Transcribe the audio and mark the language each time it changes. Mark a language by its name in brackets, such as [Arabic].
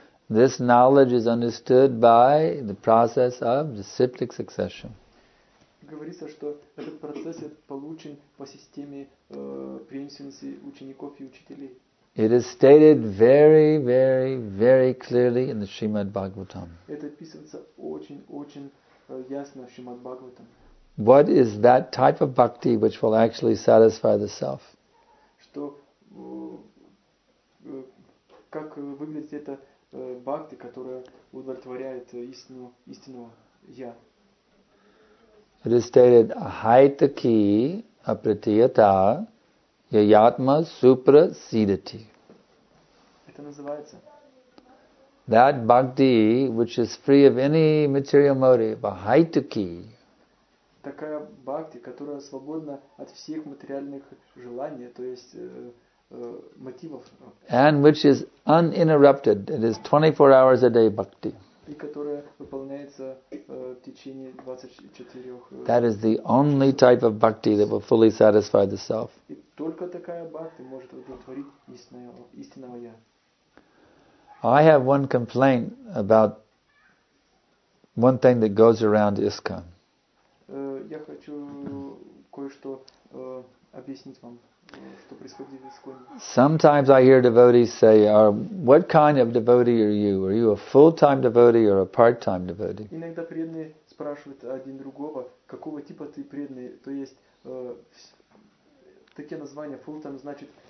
[English] This knowledge is understood by the process of disciplic succession. [Russian] Говорится, что этот процесс получен по системе преемственности учеников и учителей. [English] It is stated very, very, very clearly in the Srimad Bhagavatam. [Russian] Это описывается очень-очень ясно в Шримад Бхагаватам. [English] What is that type of bhakti which will actually satisfy the self? [Russian] Что как выглядит эта бхакти, которая удовлетворяет истинного я? [English] It is stated ahaitaki apratiyata yayatma supra-siddhati. [Russian] Это называется [English] that bhakti which is free of any material motive, ahaitaki. [Russian] Такая бхакти, которая свободна от всех материальных желаний, то есть мотивов. [English] And which is uninterrupted. It is 24 hours a day bhakti. [Russian] И которая выполняется в течение 24 часов. [English] That is the only type of bhakti that will fully satisfy the self. [Russian] И только такая бхакти может удовлетворить истинного я. [English] I have one complaint about one thing that goes around ISKCON. [Russian] Я хочу кое-что объяснить вам, что происходит в Исконе. [English] Sometimes I hear devotees say, what kind of devotee are you? Are you a full-time devotee or a part-time devotee? [Russian] Иногда преданные спрашивают один другого, какого типа ты преданный, то есть такие названия full-time значит